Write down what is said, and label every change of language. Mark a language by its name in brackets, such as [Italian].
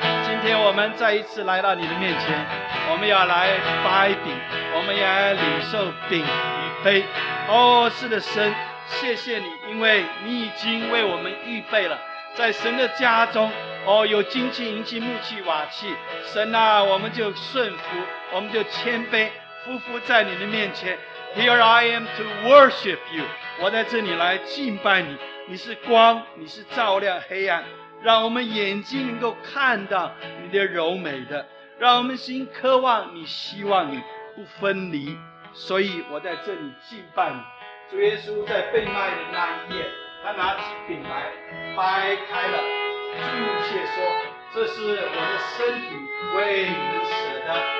[Chinese] 今天我们再一次来到你的面前，我们要来掰饼，我们要来领受饼与杯。哦，是的，神，谢谢你，因为你已经为我们预备了，在神的家中，哦，有金器、银器、木器、瓦器。神啊，我们就顺服，我们就谦卑，匍匐在你的面前。 [English] Here I am to worship you， [Chinese] 我在这里来敬拜你。你是光，你是照亮黑暗，让我们眼睛能够看到你的柔美的，让我们心渴望你，希望你不分离。所以我在这里敬拜你。主耶稣在被卖的那一夜，他拿起饼来掰开了，祝谢说，这是我的身体为你们舍的。